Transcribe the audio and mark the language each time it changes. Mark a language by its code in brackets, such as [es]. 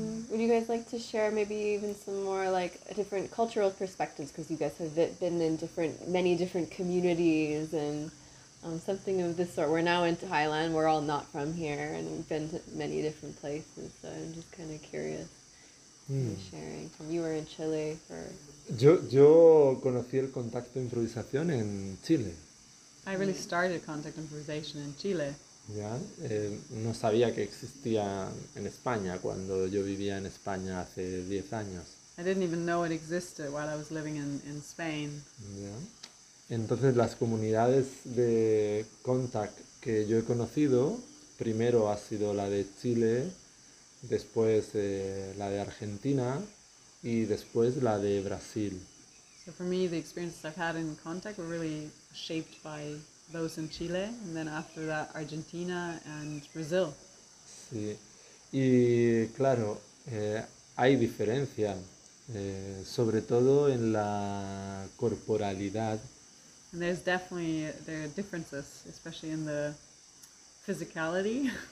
[en] Would you guys like to share maybe even some more like different cultural perspectives, because you guys have been in many different communities and something of this sort? We're now in Thailand, we're all not from here, and we've been to many different places, so I'm just kind of curious sharing. You were in Chile for... [es] Yo conocí el contacto improvisación en Chile. [en] I really started contact improvisation in Chile. [es] Ya, no sabía que existía en España cuando yo vivía en España hace 10 años. [en] I didn't even know it existed while I was living in Spain. [es] Ya. Entonces las comunidades de contact que yo he conocido, primero ha sido la de Chile, después la de Argentina y después la de Brasil. [en] So for me, the experiences I've had in contact were really shaped by those in Chile, and then after that, Argentina and Brazil. [es] Sí, y claro, hay diferencia, sobre todo en la corporalidad. [en] And there's definitely there are differences, especially in the physicality.